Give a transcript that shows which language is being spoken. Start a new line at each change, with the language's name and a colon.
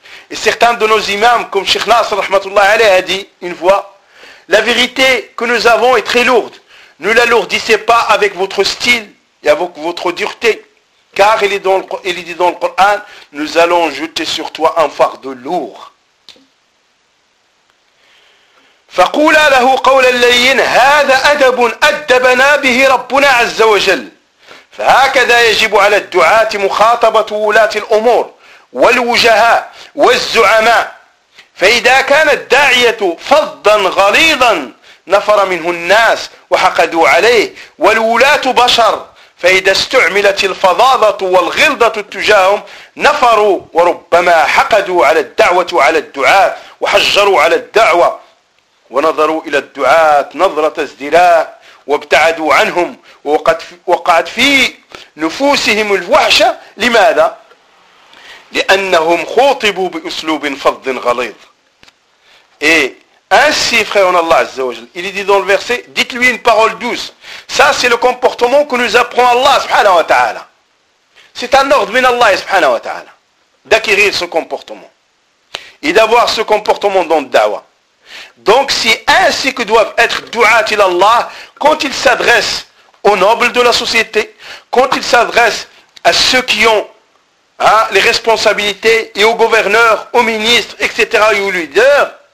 French: Et certains de nos imams, comme Cheikh Nasr, rahmatullah alayhi, a dit une fois, la vérité que nous avons est très lourde. Ne l'alourdissez pas avec votre style et avec votre dureté. Car il est dit dans le Coran, nous allons jeter sur toi un fardeau lourd.
Arabic: فقولا له قول اللين هذا أدب أدبنا به ربنا عز وجل فهكذا يجب على الدعاة مخاطبة ولاة الأمور والوجهاء والزعماء فإذا كان الداعية فضا غليظا نفر منه الناس وحقدوا عليه والولاة بشر فإذا استعملت الفظاظة والغلظة تجاههم نفروا وربما حقدوا على الدعوة وعلى الدعاة وحجروا على الدعوة ونظروا إلى الدعاة نظرة ازدراء وابتعدوا عنهم وقعت في نفوسهم الوحشة لماذا؟ لأنهم خوطبوا بأسلوب فظ غليظ
French: إيه Ainsi, frère en Allah Azza wa Jal, il dit dans le verset, dites-lui une parole douce. Ça, c'est le comportement que nous apprend Allah subhanahu wa ta'ala. C'est un ordre min Allah subhanahu wa ta'ala d'acquérir ce comportement et d'avoir ce comportement dans le da'wah. Donc, c'est ainsi que doivent être du'at il Allah quand ils s'adressent aux nobles de la société, quand ils s'adressent à ceux qui ont les responsabilités et aux gouverneurs, aux ministres, etc. et aux leaders.